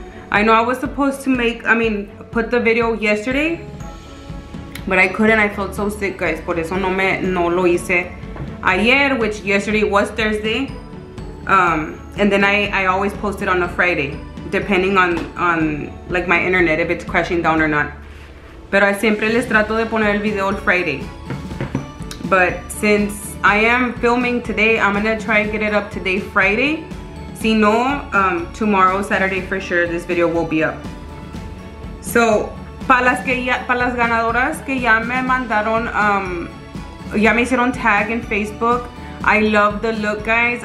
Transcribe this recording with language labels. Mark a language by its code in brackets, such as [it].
[en] I know I was supposed to put the video yesterday, but I couldn't. I felt so sick, guys. [es] Por eso no lo hice ayer, [en] which yesterday was Thursday. And then I always post it on a Friday, depending on like my internet, if it's crashing down or not. [es] Pero siempre les trato de poner el video el Friday. [en] But since I am filming today, I'm gonna try and get it up today, Friday. [es] Si no, [en] tomorrow, Saturday for sure, this video will be up. [es] So, para las ganadoras que ya me mandaron, ya me hicieron tag en Facebook, [en] I love the look, guys.